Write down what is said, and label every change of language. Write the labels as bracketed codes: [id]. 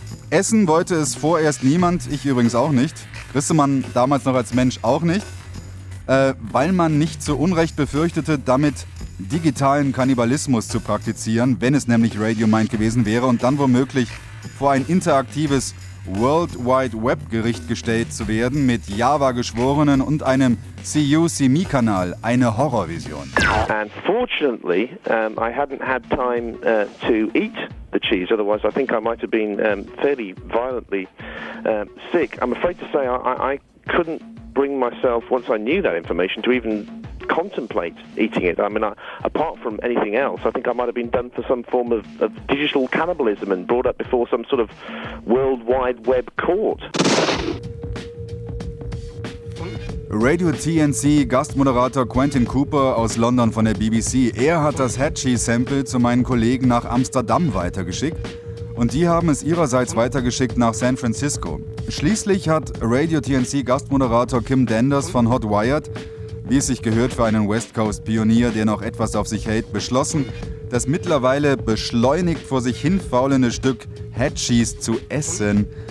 [de] Essen wollte es vorerst niemand, ich übrigens auch nicht, wüsste man damals noch als Mensch auch nicht, weil man nicht zu Unrecht befürchtete, damit digitalen Kannibalismus zu praktizieren, wenn es nämlich Radio Mind gewesen wäre und dann womöglich vor ein interaktives World Wide Web Gericht gestellt zu werden mit Java-Geschworenen und einem CU-CME-Kanal, eine Horrorvision. [en] And fortunately, I hadn't had time to eat the cheese, otherwise I think I might have been fairly violently sick. I'm afraid to say I couldn't bring myself, once I knew that information, to even contemplate eating it. I mean, apart from anything else, I think I might have been done for some form of digital cannibalism and brought up before some sort of World Wide Web court. [de] Radio TNC Gastmoderator Quentin Cooper aus London von der BBC. Er hat das Head Cheese Sample zu meinen Kollegen nach Amsterdam weitergeschickt. Und die haben es ihrerseits weitergeschickt nach San Francisco. Schließlich hat Radio TNC Gastmoderator Kim Danders von Hotwired, wie es sich gehört für einen West Coast Pionier, der noch etwas auf sich hält, beschlossen, das mittlerweile beschleunigt vor sich hin faulende Stück Head Cheese zu essen.